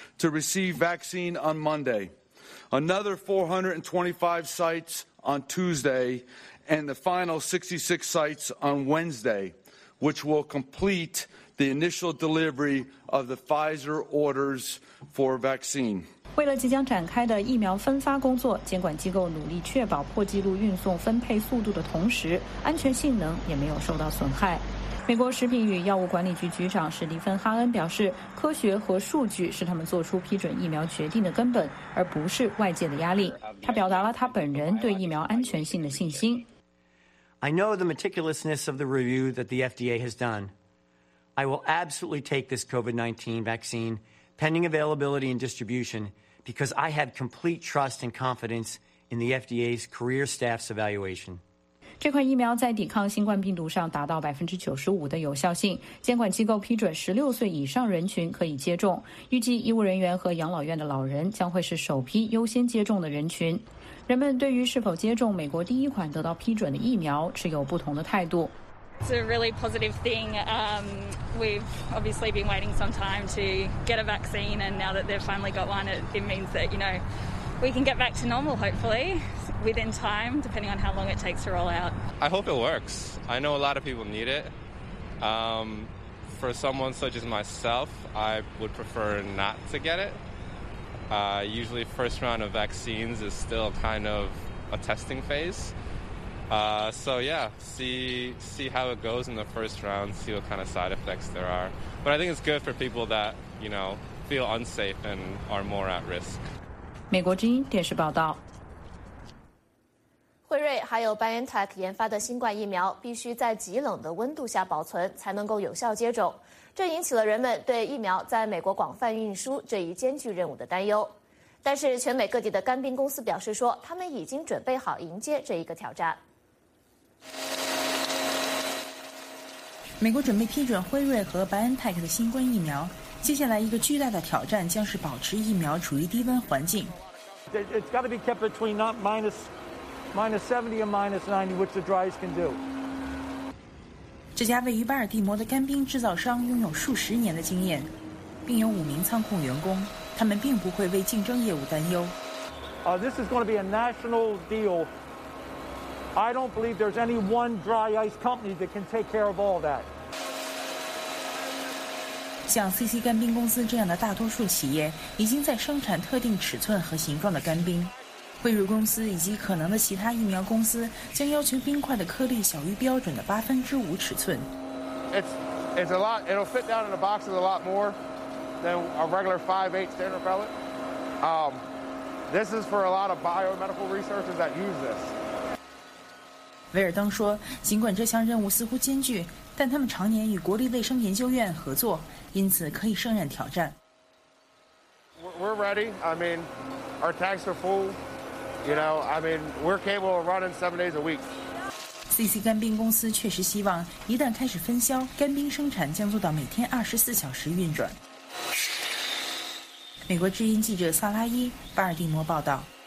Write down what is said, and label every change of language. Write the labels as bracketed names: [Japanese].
[English] To receive vaccine on Monday, another 425 sites on Tuesday, and the final 66 sites on Wednesday, which will complete the initial delivery of the Pfizer orders for vaccine. [Chinese] 为了即将展开的疫苗分发工作，监管机构努力确保破纪录运送分配速度的同时，安全性能也没有受到损害。美国食品与药物管理局局长史蒂芬·哈恩表示，科学和数据是他们做出批准疫苗决定的根本，而不是外界的压力。他表达了他本人对疫苗安全性的信心。 [English] I know the meticulousness of the review that the FDA has done. I will absolutely take this COVID-19 vaccine. Pending availability and distribution, because I have complete trust and confidence in the FDA's career staff's evaluation. [Chinese] 这款疫苗在抵抗新冠病毒上达到95%的有效性，监管机构批准16岁以上人群可以接种。预计医务人员和养老院的老人将会是首批优先接种的人群。人们对于是否接种美国第一款得到批准的疫苗持有不同的态度。 [English] It's a really positive thing. We've obviously been waiting some time to get a vaccine, and now that they've finally got one, it means that, you know, we can get back to normal, hopefully, within time, depending on how long it takes to roll out. I hope it works. I know a lot of people need it. For someone such as myself, I would prefer not to get it. Usually, first round of vaccines is still kind of a testing phase. See how it goes in the first round, see what kind of side effects there are. But I think it's good for people that, you know, feel unsafe and are more at risk. [Chinese] 美国之音电视报道。辉瑞还有 BioNTech 研发的新冠疫苗必须在极冷的温度下保存才能够有效接种，这引起了人们对疫苗在美国广泛运输这一艰巨任务的担忧。但是全美各地的干冰公司表示说，他们已经准备好迎接这一个挑战。美国准备批准辉瑞和 BioNTech 的新冠疫苗，接下来一个巨大的挑战将是保持疫苗处于低温环境。 [English] It's got to be kept between not minus 70 and minus 90, which the dryers can do. [Chinese] 这家位于巴尔的摩的干冰制造商拥有数十年的经验，并有五名仓库员工，他们并不会为竞争业务担忧。 [English] This is going to be a national deal. I don't believe there's any one dry ice company that can take care of all that. [Chinese] 像 CC 干冰公司这样的大多数企业已经在生产特定尺寸和形状的干冰。辉瑞公司以及可能的其他疫苗公司将要求冰块的颗粒小于标准的1/8尺寸。 [English] It's a lot. It'll fit down in the boxes a lot more than a regular 5/8 standard pellet. This is for a lot of biomedical researchers that use this. [Chinese] 威尔登说，尽管这项任务似乎艰巨，但他们常年与国立卫生研究院合作，因此可以胜任挑战。 [English] We're ready. I mean, our tanks are full. You know, I mean, we're capable of running 7 days a week. [Chinese] CC 干冰公司确实希望，一旦开始分销，干冰生产将做到每天24小时运转。美国之音记者萨拉伊，巴尔的摩报道。